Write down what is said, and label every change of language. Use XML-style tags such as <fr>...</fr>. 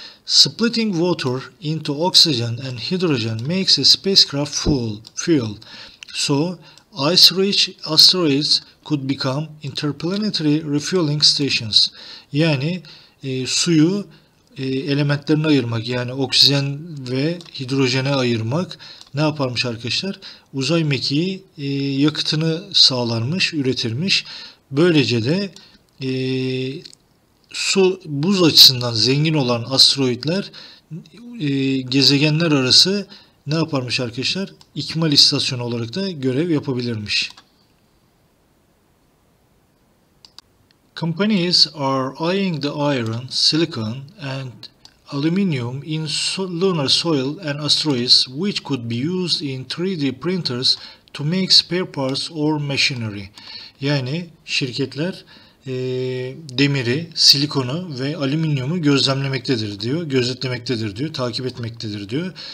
<en>Splitting water into oxygen and hydrogen makes a spacecraft fuel. So, ice-rich asteroids could become interplanetary refueling stations.</en> <tr>Yani suyu elementlerine ayırmak, yani oksijen ve hidrojene ayırmak ne yaparmış arkadaşlar? Uzay mekiği yakıtını sağlarmış, üretirmiş. Böylece de su buz açısından zengin olan asteroidler gezegenler arası ne yaparmış arkadaşlar? İkmal istasyonu olarak da görev yapabilirmiş.</tr> <en>Companies are eyeing the iron, silicon and aluminium in lunar soil and asteroids which could be used in 3D printers to make spare parts or machinery.</en> <tr>Yani şirketler demiri, silikonu ve alüminyumu gözlemlemektedir diyor, gözetlemektedir diyor, takip etmektedir diyor.</tr>